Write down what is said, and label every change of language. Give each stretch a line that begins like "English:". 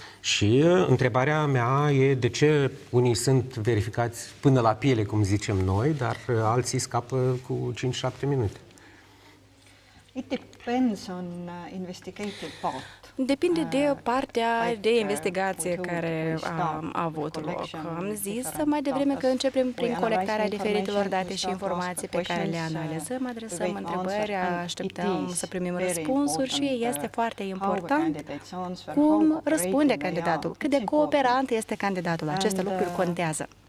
Romanian: Și întrebarea mea e de ce unii sunt verificați până la piele, cum zicem noi, dar alții scapă cu 5-7 minute.
English: It depends on investigative part.
Romanian: Depinde de partea de investigație care a avut loc. Am zis mai devreme că începem prin colectarea diferitelor date și informații pe care le analizăm, adresăm întrebări, așteptăm să primim răspunsuri și este foarte important cum răspunde candidatul, cât de cooperant este candidatul. Aceste lucruri contează.